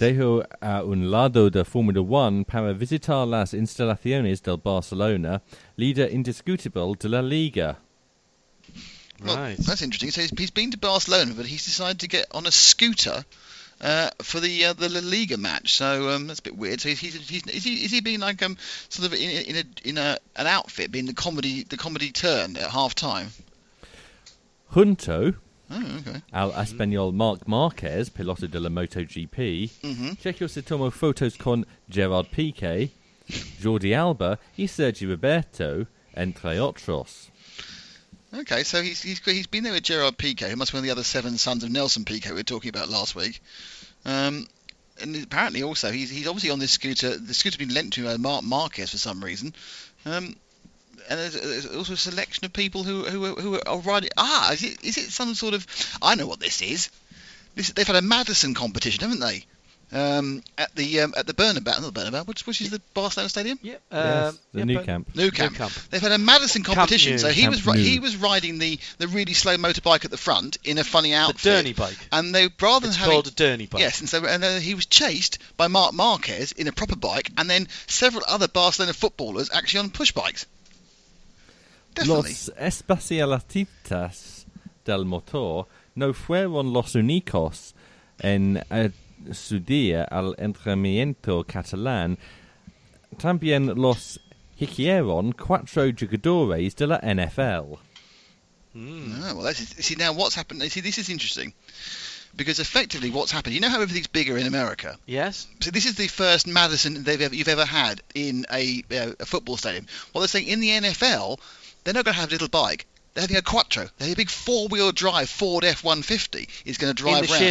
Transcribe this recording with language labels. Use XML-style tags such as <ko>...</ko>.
<es>Dejó a un lado de Formula 1 para visitar las instalaciones del Barcelona, líder indiscutible de la Liga.</es> <en>Right. Well, that's interesting. So he's been to Barcelona, but he's decided to get on a scooter for the La Liga match. So that's a bit weird. So is he being like sort of in an outfit, being the comedy turn at half time?</en> <es>Junto.</es> <en>Oh, okay.</en> <es>Al Espanol Marc Marquez, piloto de la MotoGP. Mm-hmm. Checo se tomó fotos con Gerard Piqué, Jordi Alba y Sergio Roberto, entre otros.</es> <en>Okay, so he's been there with Gerard Piqué, who must be one of the other seven sons of Nelson Piqué we were talking about last week. And apparently also, he's obviously on this scooter. The scooter's been lent to him by Marc Marquez for some reason. And there's also a selection of people who are riding. Is it some sort of... I know what this is. They've had a Madison competition, haven't they? At the Bernabeu, not the Bernabeu, which is the Barcelona Stadium? Yep. New Camp. They've had a Madison competition, so he was riding the really slow motorbike at the front in a funny outfit. The Derny bike. And they rather than it's having... called a Derny bike. Yes, and he was chased by Marc Marquez in a proper bike and then several other Barcelona footballers actually on push bikes. Definitely.</en> <es>Los especialistas del motor no fueron los únicos en acudir al entrenamiento catalán. También los hicieron cuatro jugadores de la NFL.</es> <en>What's happened? See, this is interesting. Because effectively what's happened, you know how everything's bigger in America? Yes. So this is the first Madison you've ever had in a football stadium. Well, they're saying in the NFL... They're not going to have a little bike. They're having a quattro. They're having a big four-wheel drive Ford F-150. It's going to drive</en>